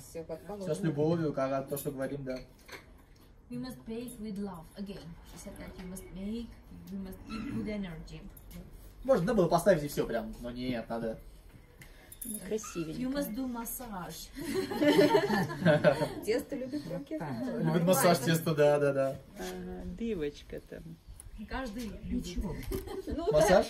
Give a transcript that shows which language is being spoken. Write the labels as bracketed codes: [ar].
[ru] Все с любовью, как то, что говорим, да. [en] We must bake with love. Again, she said that you must make, we must eat good energy. [ru] Можно было поставить и все прям, но нет, надо. Красивенько. [en] You must do massage. [ru] Тесто любит руки. Любит массаж тесто, да, да, да. Дывочка там. Каждый ничего. Массаж?